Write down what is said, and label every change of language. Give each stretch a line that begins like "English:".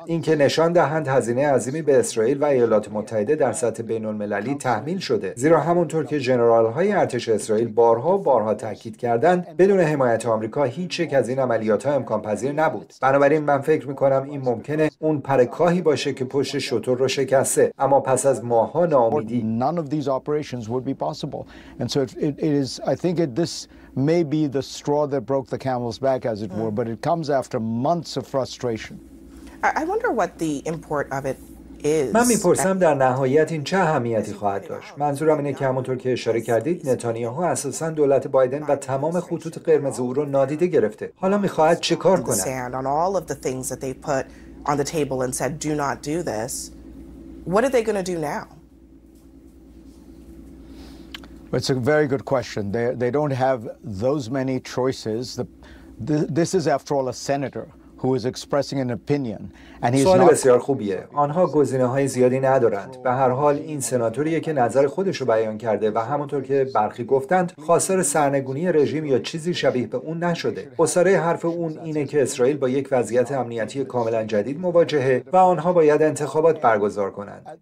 Persian: اینکه نشان دهند هزینه عظیمی به اسرائیل و ایالات متحده در سطح بین المللی تحمیل شده، زیرا همونطور که جنرال های ارتش اسرائیل بارها و بارها تاکید کردند، بدون حمایت آمریکا هیچ یک از این عملیات ها امکان پذیر نبود. بنابراین من فکر میکنم این ممکنه اون پرکاهی باشه که پشت شتر رو شکسته، اما پس از ماها ناامیدی.
English: None of these operations would be possible. And so it is, I think it this may be the straw that broke the camel's back, as it were, but it comes after months of frustration. I wonder what the import of it is.
Persian: من میپرسم در نهایت این چه اهمیتی خواهد داشت. منظورم اینه که همونطور که اشاره کردید، نتانیاهو اساسا دولت بایدن و تمام خطوط قرمز او رو نادیده گرفته. حالا میخواهد چه کار کنه؟
English: On all of the things that they put on the table and said do not do this, what are they going to do now? It's a very good question. They don't have those many choices. This is after all a senator who is expressing an opinion and he's
Persian: سوال بسیار خوبیه. آنها گزینه‌های زیادی ندارند. به هر حال این سناتوریه که نظر خودش رو بیان کرده و همونطور که برخی گفتند خاصر سرنگونی رژیم یا چیزی شبیه به اون نشده. اساره حرف اون اینه که اسرائیل با یک وضعیت امنیتی کاملا جدید مواجهه و آنها باید انتخابات برگزار کنند.